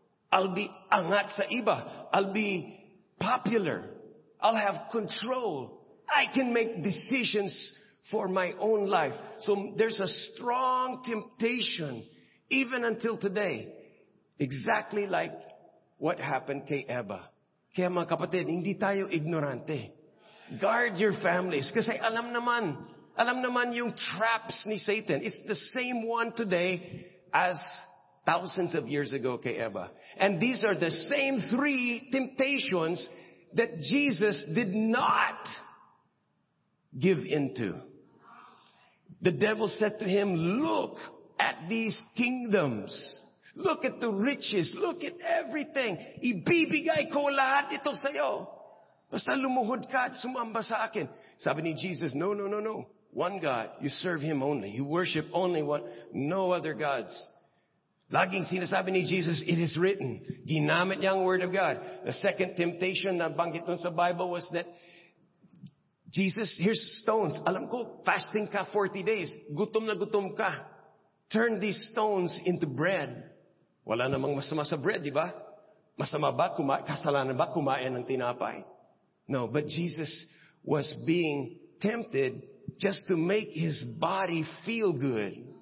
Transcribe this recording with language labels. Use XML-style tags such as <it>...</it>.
<en>I'll be angat sa iba. I'll be popular. I'll have control. I can make decisions for my own life. So there's a strong temptation, even until today, exactly like what happened kay Eva.</en> <tl>Kaya mga kapatid, hindi tayo ignorante.</tl> <en>Guard your families.</en> <tl>Kasi alam naman yung</tl> <en>traps ni Satan. It's the same one today as thousands of years ago kay Eva. And these are the same three temptations that Jesus did not give into. The devil said to him, look at these kingdoms. Look at the riches. Look at everything.</en> <tl>Ibibigay ko lahat ito sa'yo. Basta lumuhod ka at sumamba sa akin. Sabi ni Jesus, no.</tl> <en>One God, you serve Him only. You worship only one. No other gods.</en> <tl>Laging sinasabi ni Jesus,</tl> <en>it is written.</en> <tl>Ginamit niya ang word of God.</tl> <en>The second temptation</en> <tl>na banggit dun sa</tl> <en>Bible was that, Jesus, here's stones.</en> <tl>Alam ko, fasting ka 40 days. Gutom na gutom ka.</tl> <en>Turn these stones into bread.</en> <tl>Wala namang masama sa bread, di ba? Masama ba? Kasalanan ba kumain ng tinapay?</tl> <en>No, but Jesus was being tempted just to make His body feel good.</en>